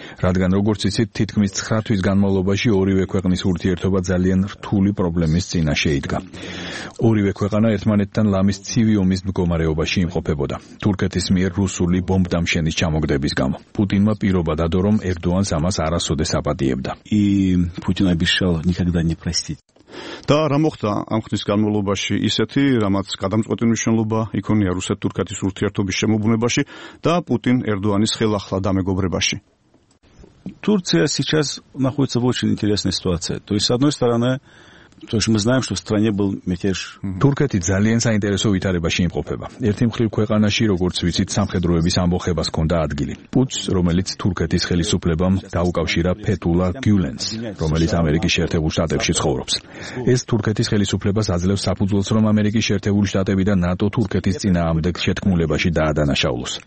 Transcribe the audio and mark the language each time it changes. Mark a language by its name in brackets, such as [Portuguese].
[Georgian] რადგან, როგორც იცით, თითქმის 9 თვის განმავლობაში ორივე ქვეყნის ურთიერთობა ძალიან რთული პრობლემის წინაშე იდგა. ორივე ქვეყანა ერთმანეთთან ლამის ცივი ომის მდგომარეობაში იმყოფებოდა. თურქეთის მიერ რუსული ბომბდამშენის ჩამოგდების გამო პუტინმა პირობა დადო, რომ ერდოანს ამას არასოდეს აპატიებდა. [Russian] И Путин обещал никогда не простить. [Georgian] და რა მოხდა ამ ხნის განმავლობაში ისეთი, რამაც გადამწყვეტი მნიშვნელობა იქონია რუსეთ-თურქეთის ურთიერთობის შემოგვნებაში და პუტინ-ერდოანის ხელახლა დამეგობრებაში? [Russian] Турция сейчас находится в очень интересной ситуации. То есть с одной стороны, то что мы знаем, что в стране был мятеж. [Georgian] Туркети ძალიან საინტერესო ვითარებაში იმყოფება. ერთი მხრივ ქვეყანაში, როგორც ვიცით, სამხედროების ამბოხებას ჰქონდა ადგილი. პუტს, რომელიც თურქეთის ხელისუფლებამ დაუკავშირა ფეტულა გიულენს, რომელიც ამერიკის შეერთებულ შტატებში ცხოვრობს. ეს თურქეთის ხელისუფლებას აძლევს საფუძველს, რომ ამერიკის შეერთებული შტატები და ნატო თურქეთის წინააღმდეგ შეთქმულებაში დაადანაშაულოს.